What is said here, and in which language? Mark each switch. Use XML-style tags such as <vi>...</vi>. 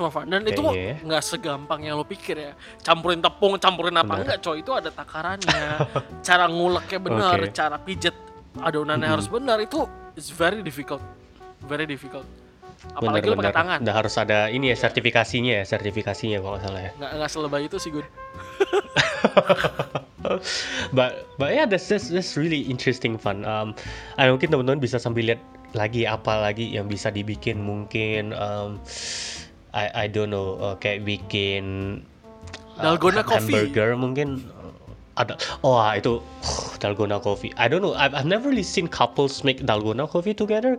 <id>Dan itu nggak segampang yang lu pikir ya. Campurin tepung, campurin apa enggak, coy, itu ada takarannya. Cara nguleknya benar, cara pijet adonannya harus benar, itu</id> <en>is very difficult. Very difficult.</en> <id>Apalagi lu pakai tangan. Udah harus ada ini ya, sertifikasinya kalau salah ya. Enggak selebay itu sih, Gun.</id> <en>But yeah, that's really interesting fun.</en> <id>Mungkin teman-teman bisa sambil lihat lagi apa lagi yang bisa dibikin. Mungkin</id> <en>I don't know,</en> <id>kayak bikin Dalgona coffee. Hamburger mungkin ada. Oh, itu Dalgona coffee.</id> <en>I don't know. I've never really seen couples make Dalgona coffee together.</en>